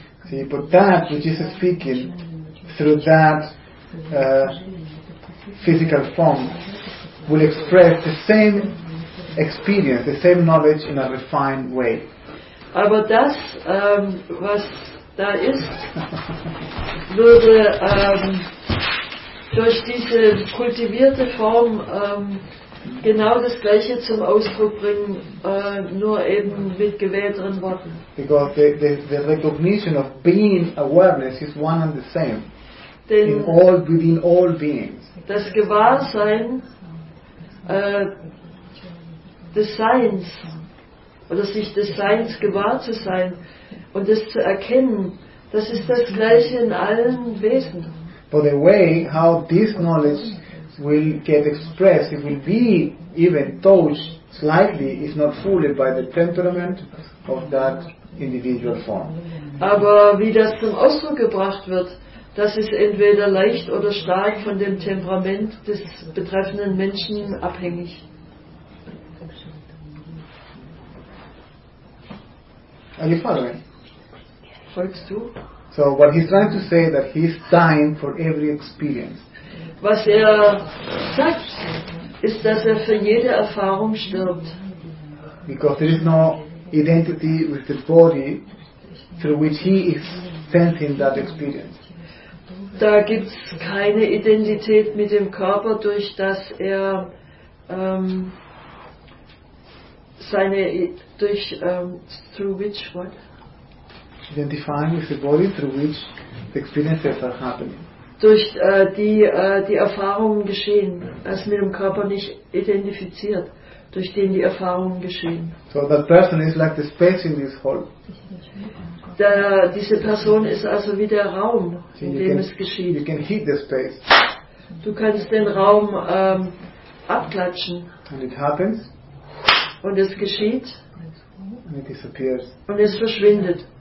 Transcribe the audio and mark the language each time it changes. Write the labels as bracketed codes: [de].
[en] See, but that which is speaking through that physical form will express the same experience, the same knowledge in a refined way. [de] Aber das, was da ist, würde durch diese kultivierte Form genau das Gleiche zum Ausdruck bringen, nur eben mit gewählteren Worten. [en] Because the recognition of being awareness is one and the same. [de] Denn [en] in all, within all beings. [de] Das Gewahrsein, des Seins, oder sich des Seins gewahr zu sein und es zu erkennen, das ist das Gleiche in allen Wesen. [en] But the way how this knowledge will get expressed, it will be even touched slightly, if not fully, by the temperament of that individual form. [de] Aber wie das zum Ausdruck gebracht wird, das ist entweder leicht oder stark von dem Temperament des betreffenden Menschen abhängig. [en] Are you following? [de] Folgst du? [en] So what he's trying to say that he's dying for every experience. [de] Was er sagt, ist, dass er für jede Erfahrung stirbt. [en] Because there is no identity with the body through which he is sensing that experience. [de] Da gibt's keine Identität mit dem Körper, durch das er [en] through which what? Identifying with the body through which the experiences are happening. [de] Durch die Erfahrungen geschehen, das mit dem Körper nicht identifiziert, durch den die Erfahrungen geschehen. [en] So that person is like the space in this hall. [de] Diese Person ist also wie der Raum, in dem es geschieht. [en] You can heat the space. [de] Du kannst den Raum abklatschen. [en] And it happens. [de] Und es geschieht. [en] And it disappears. [de] Und es verschwindet.